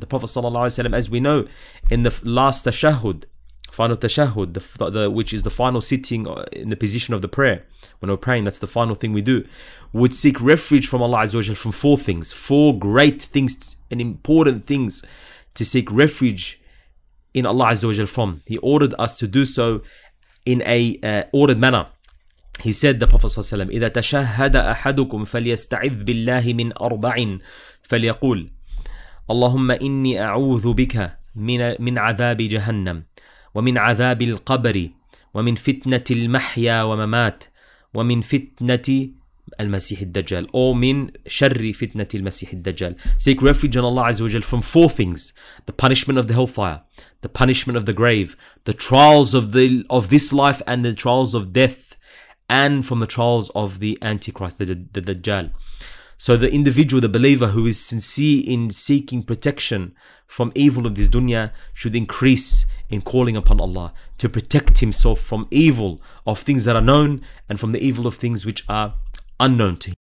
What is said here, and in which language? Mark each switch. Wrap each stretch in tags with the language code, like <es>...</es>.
<en>The Prophet sallallahu alaihi wasallam, as we know, in the last tashahud, final tashahud, which is the final sitting in the position of the prayer, when we're praying, that's the final thing we do, would seek refuge from Allah azza wa jalla from four great things and important things to seek refuge in Allah azza wa jalla from. He ordered us to do so in a ordered manner. He said, the Prophet sallallahu alaihi wasallam,</en> <ar>إذا تشهد أحدكم فليستعذ بالله من أربع فليقول اللهم إني أعوذ بك من عذاب جهنم ومن عذاب القبر ومن فتنة المحيا وممات ومن فتنة المسيح الدجال أو من شر فتنة المسيح الدجال.</ar> <en>Seek refuge in Allah</en> <ar>عز وجل</ar> <en>from four things: the punishment of the hellfire, the punishment of the grave, the trials of this life and the trials of death, and from the trials of the Antichrist, the Dajjal. So the individual, the believer, who is sincere in seeking protection from evil of this dunya should increase in calling upon Allah to protect himself from evil of things that are known and from the evil of things which are unknown to him.</en>